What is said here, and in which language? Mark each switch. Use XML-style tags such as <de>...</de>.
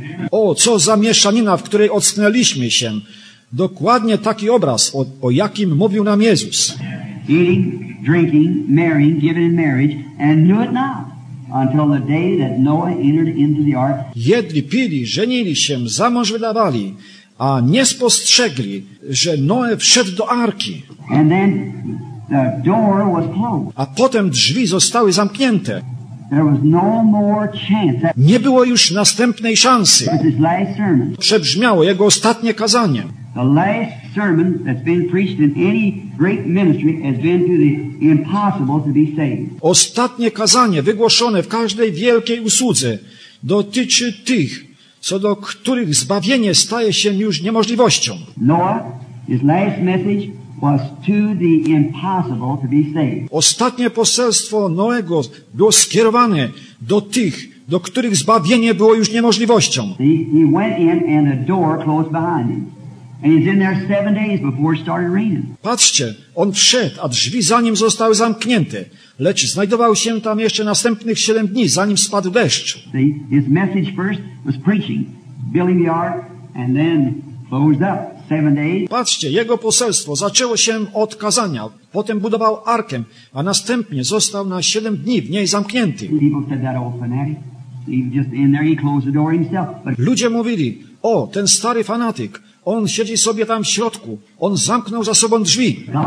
<pl>O, co za mieszanina, w której ocknęliśmy się. Dokładnie taki obraz, o jakim mówił nam Jezus.</pl> <en>Eating, drinking, marrying, given in marriage, and knew it not. Until the day that Noah entered into the ark.</en> <pl>Jedli, pili, żenili się, za mąż wydawali, a nie spostrzegli, że Noe wszedł do arki.</pl> <en>And then the door was closed.</en> <pl>A potem drzwi zostały zamknięte.</pl> <en>There was no more chance.</en> <pl>Nie było już następnej szansy.</pl> <en>His last sermon.</en> <pl>Przebrzmiało jego ostatnie kazanie.</pl> <en>The last sermon that's been preached in any great ministry has been to the impossible to be saved.</en> <pl>Ostatnie kazanie wygłoszone w każdej wielkiej usłudze dotyczy tych, co do których zbawienie staje się już niemożliwością.</pl> <en>Noah, his last message was to the impossible to be saved.</en> <pl>Ostatnie poselstwo Noego było skierowane do tych, do których zbawienie było już niemożliwością.</pl> <en>He went in and the door closed behind him. And he's in there 7 days before it started raining.</en> <pl>Patrzcie, on wszedł, a drzwi za nim zostały zamknięte. Lecz znajdował się tam jeszcze następnych 7 dni, zanim spadł deszcz.</pl> <en>See, his message first was preaching, building the ark, and then closed up 7 days.</en> <pl>Patrzcie, jego poselstwo zaczęło się od kazania, potem budował arkę, a następnie został na 7 dni w niej zamknięty.</pl> <en>People said that old fanatic. He just in there, he closed the door himself. But...</en> <pl>Ludzie mówili, o, ten stary fanatyk, on siedzi sobie tam w środku. On zamknął za sobą drzwi.</pl>